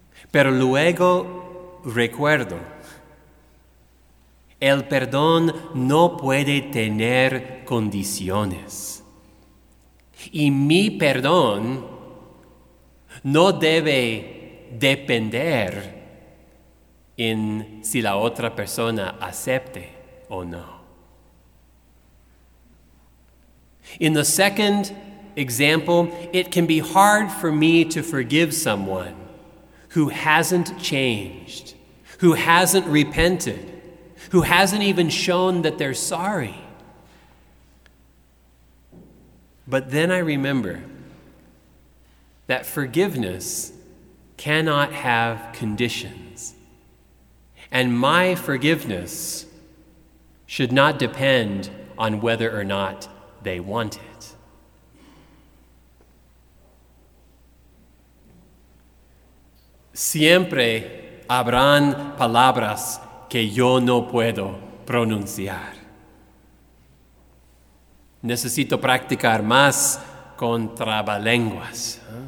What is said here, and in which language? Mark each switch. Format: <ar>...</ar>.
<es>Pero luego recuerdo, el perdón no puede tener condiciones. Y mi perdón no debe depender en si la otra persona acepte o no.</es> <en>In the second example, it can be hard for me to forgive someone who hasn't changed, who hasn't repented, who hasn't even shown that they're sorry. But then I remember that forgiveness cannot have conditions, and my forgiveness should not depend on whether or not they want it.</en> <es>Siempre habrán palabras que yo no puedo pronunciar. Necesito practicar más con trabalenguas.</es>